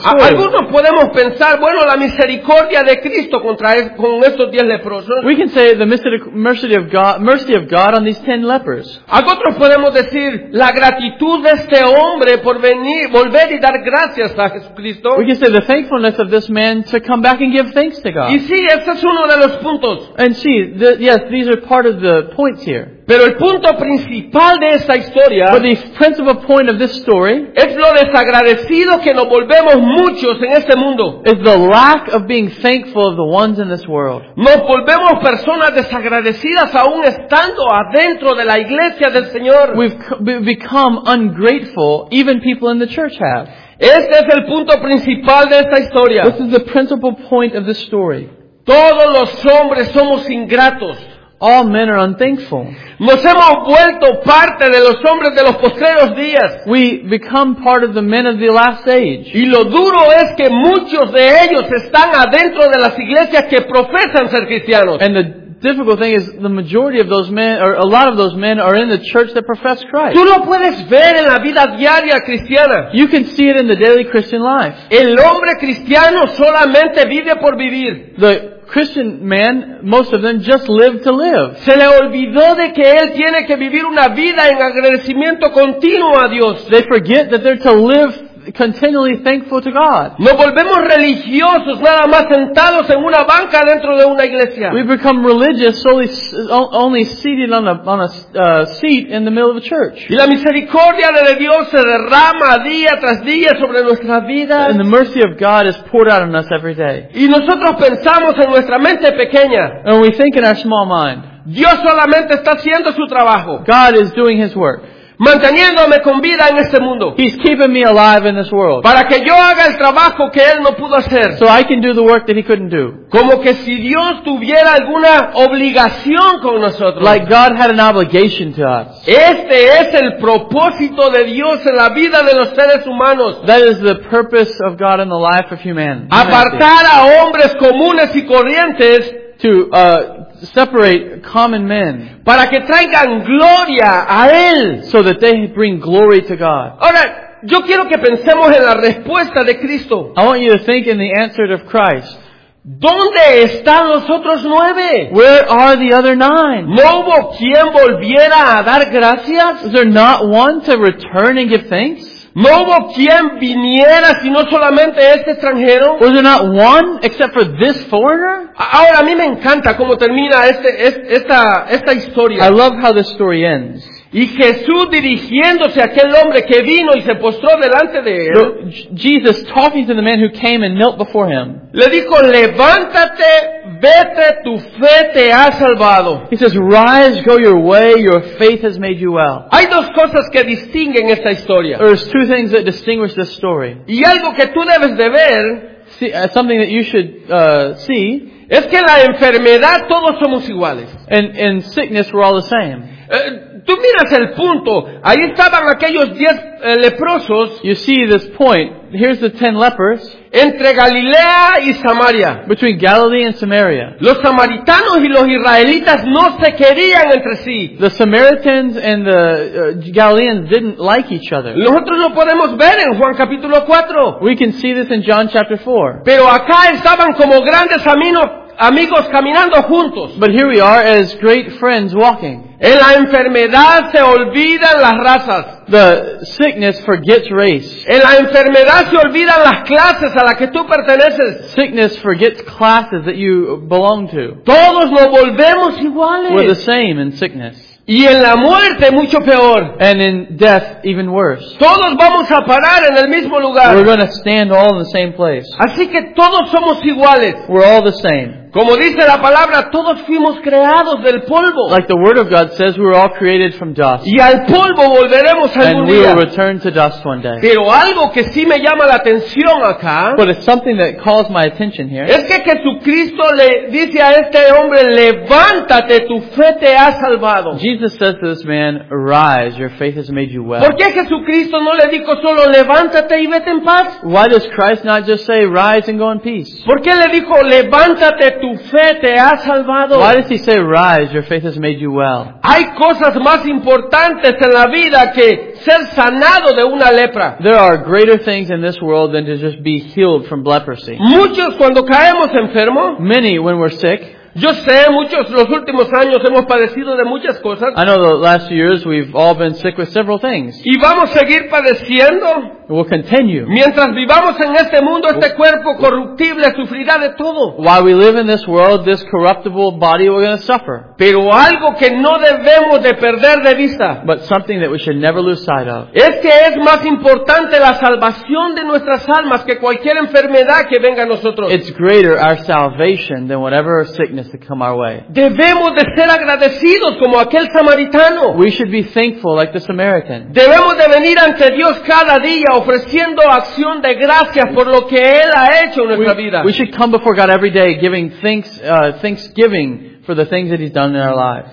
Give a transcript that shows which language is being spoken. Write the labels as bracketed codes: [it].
[es] Algunos podemos pensar, bueno, la misericordia de Cristo con estos 10 leprosos. [en] We can say the mercy of God on these 10 lepers. [es] Otros podemos decir la gratitud de este hombre por venir, volver y dar gracias a Jesucristo. [en] We can say the thankfulness of this man to come back and give thanks to God. [es] Y sí, ese es uno de los puntos. [en] And see, yes, these are part of the points here. [es] Pero el punto principal de esta historia, [en] but the principal point of this story, [es] es lo desagradecido que nos volvemos muchos en este mundo. [en] Is the lack of being thankful of the ones in this world. [es] Nos volvemos personas desagradecidas aún estando adentro de la iglesia del Señor. [en] We've become ungrateful, even people in the church have. [es] Este es el punto principal de esta historia. [en] This is the principal point of this story. [es] Todos los hombres somos ingratos. [en] All men are unthankful. [es] Nos hemos vuelto parte de los hombres de los postreros días. [en] We become part of the men of the last age. [es] Y lo duro es que muchos de ellos están adentro de las iglesias que profesan ser cristianos. [en] And the difficult thing is the majority of those men, or a lot of those men, are in the church that profess Christ. [es] Tú lo puedes ver en la vida diaria cristiana. [en] You can see it in the daily Christian life. [es] El hombre cristiano solamente vive por vivir. [en] The Christian man, most of them just live to live. [es] Se le olvidó de que él tiene que vivir una vida en agradecimiento continuo a Dios. [en] They forget that they're to live continually thankful to God. [es] Nos volvemos religiosos nada más sentados en una banca dentro de una iglesia. [en] We become religious only seated on a seat in the middle of a church. [es] Y la misericordia de Dios se derrama día tras día sobre nuestra vida. [en] And the mercy of God is poured out on us every day. [es] Y nosotros pensamos en nuestra mente pequeña. [en] And we think in our small mind. [es] Dios solamente está haciendo su trabajo. [en] God is doing His work. [es] Manteniéndome con vida en este mundo. [en] He's keeping me alive in this world. [es] Para que yo haga el trabajo que él no pudo hacer. [en] So I can do the work that he couldn't do. [es] Como que si Dios tuviera alguna obligación con nosotros. [en] Like God had an obligation to us. [es] Este es el propósito de Dios en la vida de los seres humanos. [en] That is the purpose of God in the life of humanity. [es] Apartar a hombres comunes y corrientes. [en] To separate common men. [es] Para que traigan gloria a él. [en] So that they bring glory to God. [es] Ahora, yo quiero que pensemos en la respuesta de Cristo. [en] I want you to think in the answer of Christ. [es] ¿Dónde están los otros nueve? [en] Where are the other nine? [es] ¿No hubo quien volviera a dar gracias? [en] Is there not one to return and give thanks? [es] ¿No hubo quien viniera sino solamente este extranjero? [en] Was there not one except for this foreigner? [es] Ahora, a mí me encanta cómo termina esta historia. [en] I love how this story ends. [es] Y Jesús dirigiéndose a aquel hombre que vino y se postró delante de él. [en] Jesus talking to the man who came and knelt before him. [es] Le dijo, levántate, vete, tu fe te ha salvado. [en] He says, rise, go your way, your faith has made you well. [es] Hay dos cosas que distinguen esta historia. [en] There's two things that distinguish this story. [es] Y algo que tú debes de ver. [en] Something that you should see. [es] Es que la enfermedad todos somos iguales. [en] In sickness we're all the same. [es] Tú miras el punto. Ahí estaban aquellos 10 leprosos. [en] You see this point. Here's the 10 lepers. [es] Entre Galilea y Samaria. [en] Between Galilee and Samaria. [es] Los samaritanos y los israelitas no se querían entre sí. [en] The Samaritans and the Galileans didn't like each other. [es] Nosotros lo podemos ver en Juan capítulo 4. [en] We can see this in John chapter 4. [es] Pero acá estaban como grandes amigos caminando juntos. [en] But here we are as great friends walking. [es] En la enfermedad se olvidan las razas. [en] The sickness forgets race. [es] En la enfermedad se olvidan las clases a las que tú perteneces. [en] Sickness forgets classes that you belong to. [es] Todos nos volvemos iguales. [en] We're the same in sickness. [es] Y en la muerte mucho peor. [en] And in death even worse. [es] Todos vamos a parar en el mismo lugar. [en] We're going to stand all in the same place. [es] Así que todos somos iguales. [en] We're all the same. [es] Como dice la palabra, todos fuimos creados del polvo. [en] Like the word of God says, we're all created from dust. [es] Y al polvo volveremos algún día. [en] And we will return to dust one day. [es] Pero algo que sí me llama la atención acá. [en] But it's something that calls my attention here. [es] Es que Jesucristo le dice a este hombre, levántate, tu fe te ha salvado. [en] Jesus says to this man, arise, your faith has made you well. [es] ¿Por qué Jesucristo no le dijo solo, levántate y vete en paz? [en] Why does Christ not just say, rise and go in peace? [es] ¿Por qué le dijo, levántate, tu fe te ha salvado? [en] Why does he say, rise, your faith has made you well? [es] Hay cosas más importantes en la vida que ser sanado de una lepra. [en] There are greater things in this world than to just be healed from leprosy. [es] Muchos cuando caemos enfermo, [en] many when we're sick. [es] Yo sé, muchos los últimos años hemos padecido de muchas cosas. [en] I know the last years we've all been sick with several things. [es] Y vamos a seguir padeciendo. [en] We'll continue. [es] Mientras vivamos en este mundo, este cuerpo corruptible sufrirá de todo. [en] While we live in this world, this corruptible body we're going to suffer. [es] Pero algo que no debemos de perder de vista. [en] But something that we should never lose sight of. [es] Es que es más importante la salvación de nuestras almas que cualquier enfermedad que venga a nosotros. [en] It's greater our salvation than whatever sickness that come our way. [es] Debemos de ser agradecidos como aquel samaritano. [en] We should be thankful like the Samaritan. [es] Debemos de venir ante Dios cada día ofreciendo acción de gracias por lo que Él ha hecho en nuestra vida. [en] We should come before God every day giving thanksgiving for the things that he's done in our lives.